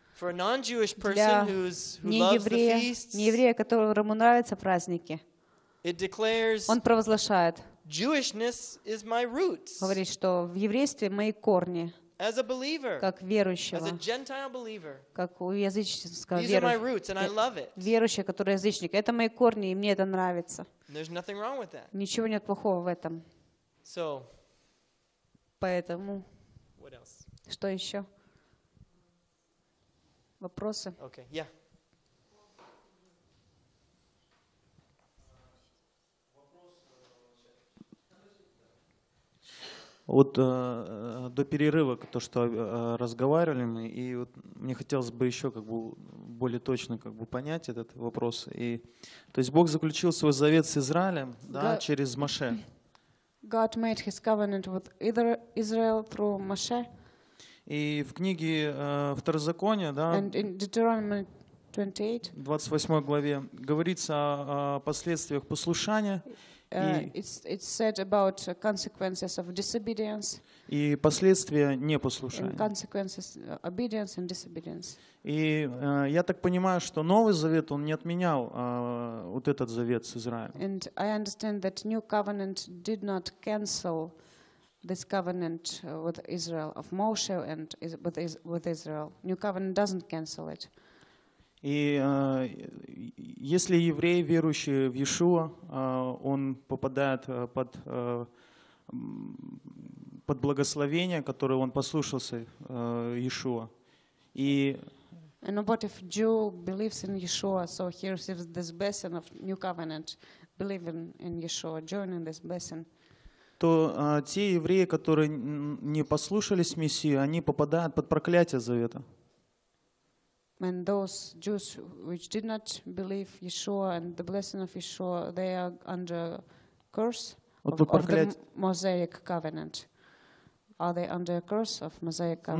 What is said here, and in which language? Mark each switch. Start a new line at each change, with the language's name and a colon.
English: For a non-Jewish person who loves the feasts.
Russian: Нееврея, которому нравятся праздники.
English: It declares.
Russian: Он провозглашает.
English: Jewishness is my roots.
Russian: Говорит, что в еврействе мои корни.
English: As a believer,
Russian: как верующего,
English: as a Gentile believer,
Russian: как у язычника,
English: these are my roots, and I love it.
Russian: Верующий, который язычник, это мои корни, и мне это нравится.
English: There's nothing wrong with that.
Russian: Ничего нет плохого в этом.
English: So,
Russian: поэтому.
English: What else?
Russian: Что еще? Вопросы?
English: Okay. Yeah.
Russian: Вот до перерыва, то, что разговаривали мы, и вот мне хотелось бы еще как бы более точно как бы понять этот вопрос. И, то есть Бог заключил свой завет с Израилем, да, через Моше.
English: God made his covenant with Israel through Moshe.
Russian: И в книге Второзакония, да,
English: and in Deuteronomy 28,
Russian: 28 главе, говорится о последствиях послушания.
English: It's said about consequences of disobedience.
Russian: И последствия непослушания.
English: Consequences of obedience and disobedience.
Russian: И я так понимаю, что Новый Завет он не отменял вот этот завет с Израилем.
English: And I understand that New Covenant did not cancel this covenant with Israel of Moshe and with Israel. New Covenant doesn't cancel it.
Russian: И если еврей, верующий в Иешуа, он попадает под благословение, которое он послушался Иешуа, и
English: and what if Jew believes in Yeshua, so he receives this blessing of new covenant, believing in Yeshua, joining this blessing,
Russian: то те евреи, которые не послушались Мессию, они попадают под проклятие завета.
English: And those Jews which did not believe Yeshua and the blessing of Yeshua, they are under curse of the Mosaic covenant. Are they under a curse of Mosaic covenant?